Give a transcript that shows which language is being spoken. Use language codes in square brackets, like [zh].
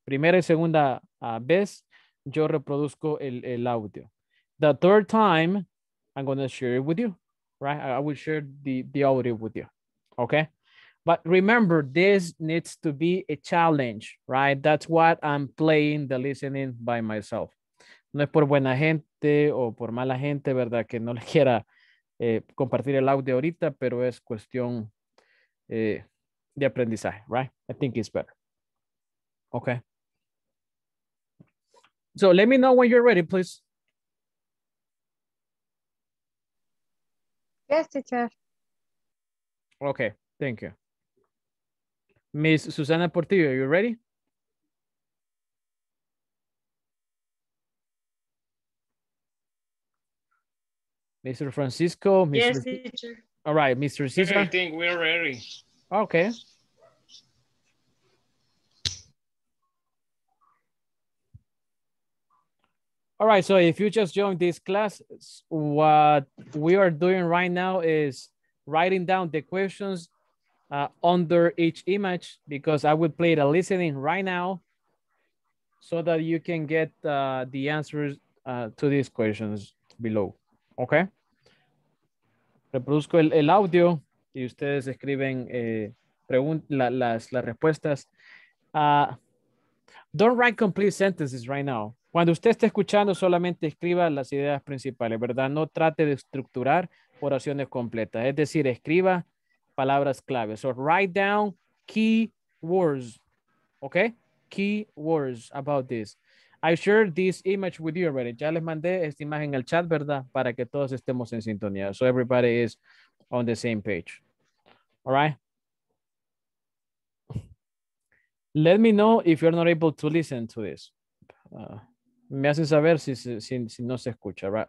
[es] Primera y segunda vez, yo reproduzco el audio. [en] The third time, I'm gonna share it with you, right? I will share the audio with you, okay? But remember, this needs to be a challenge, right? That's what I'm playing the listening by myself. [es] No es por buena gente o por mala gente, ¿verdad? Que no le quiera compartir el audio ahorita, pero es cuestión de aprendizaje, [en] right? I think it's better, okay? So let me know when you're ready, please. Yes, teacher. Okay, thank you. Miss Susana Portillo, are you ready? Mr. Francisco? Mr. Yes, teacher. All right, Mr. Cesar? I think we're ready. Okay. All right, so if you just joined this class, what we are doing right now is writing down the questions under each image, because I will play the listening right now so that you can get the answers to these questions below. Okay? [es] Reproduzco el audio y ustedes escriben las respuestas. [en] Don't write complete sentences right now. [es] Cuando usted esté escuchando, solamente escriba las ideas principales, ¿verdad? No trate de estructurar oraciones completas. Es decir, escriba palabras clave. [en] So write down key words. Okay? Key words about this. I shared this image with you already. [es] Ya les mandé esta imagen al chat, ¿verdad? Para que todos estemos en sintonía. [en] So everybody is on the same page. All right? Let me know if you're not able to listen to this. [es] Me hacen saber si no se escucha, [en] right?